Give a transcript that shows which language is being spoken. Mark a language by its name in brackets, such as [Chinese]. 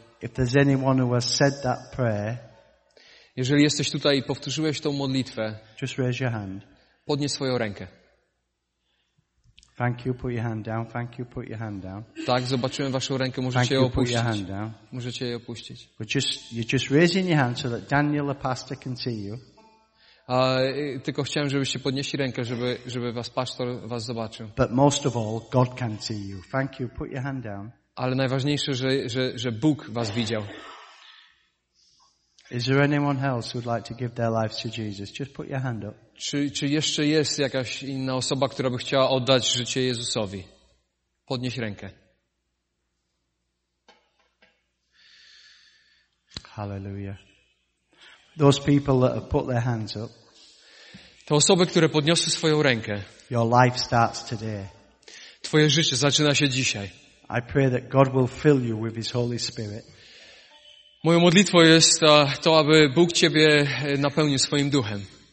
[English] If there's anyone who has said that prayer, [Polish] jeżeli jesteś tutaj i powtórzyłeś tą modlitwę, [English] just raise your hand. [Polish] Podnieś swoją rękę. [English] Thank you, put your hand down. Thank you, put your hand down. [Polish] Tak, zobaczyłem waszą rękę, możecie ją opuścić. [English] Put your hand down. [Polish] Możecie ją opuścić. [English] You're just raising your hand so that Daniel, the pastor, can see you. [Polish] Tylko chciałem, żebyście podnieśli rękę, żeby was pastor was zobaczył. [English] But most of all, God can see you. Thank you, put your hand down. [Polish] Ale najważniejsze, że Bóg was widział. [English] Is there anyone else who'd like to give their life to Jesus? Just put your hand up. [Polish] Czy jeszcze jest jakaś inna osoba, która by chciała oddać życie Jezusowi? Podnieś rękę. [English] Hallelujah. Those people that have put their hands up. [Polish] Te osoby, które podniosły swoją rękę. [English] Your life starts today. [Polish] Twoje życie zaczyna się dzisiaj. [English] I pray that God will fill you with His Holy Spirit. [Polish] Moją modlitwą jest to, aby Bóg Ciebie napełnił swoim duchem.